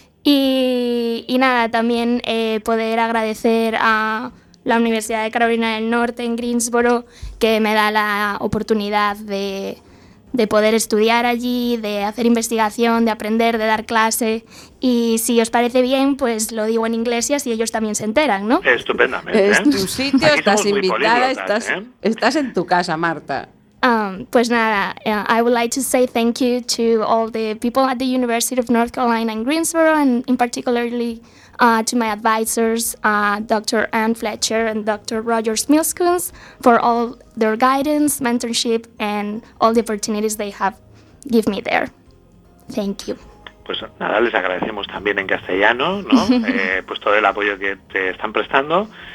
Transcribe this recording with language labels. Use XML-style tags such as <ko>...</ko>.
<es>Y nada, también poder agradecer a la Universidad de Carolina del Norte en Greensboro, que me da la oportunidad de poder estudiar allí, de hacer investigación, de aprender, de dar clase. Y si os parece bien, pues lo digo en inglés y así ellos también se enteran, ¿no? Estupendamente. Es tu sitio, estás invitada, estás en tu casa, Marta. Pues nada,</es> <en>I would like to say thank you to all the people at the University of North Carolina in Greensboro, and in particularly to my advisors, Dr. Ann Fletcher and Dr. Roger Smilskoons, for all their guidance, mentorship, and all the opportunities they have given me there. Thank you.</en> <es>Pues nada, les agradecemos también en castellano, ¿no? pues todo el apoyo que te están prestando.</es>